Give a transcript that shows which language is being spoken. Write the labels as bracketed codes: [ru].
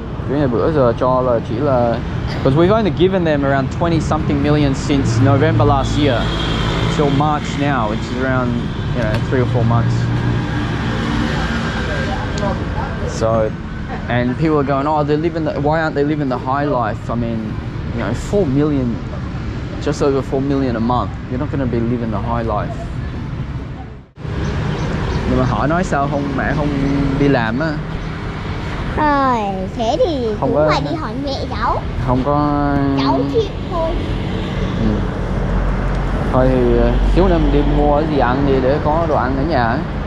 [vi] Cái này bữa giờ cho là chỉ là... [en] Because we've only given them around 20-something million since November last year. Till March now, which is around, you know, 3 or 4 months. So... And people are going, oh, they're living the, why aren't they living the high life? I mean, you know, 4 million, just over 4 million a month. You're not going to be living the high life. [vi] Nhưng mà họ nói sao không, mẹ không đi làm á? Rồi, thế thì không phải đi hỏi mẹ cháu. Không có... Cháu thiệt thôi. Ừ. Thôi thì chú nên đi mua cái gì ăn đi để có đồ ăn ở nhà.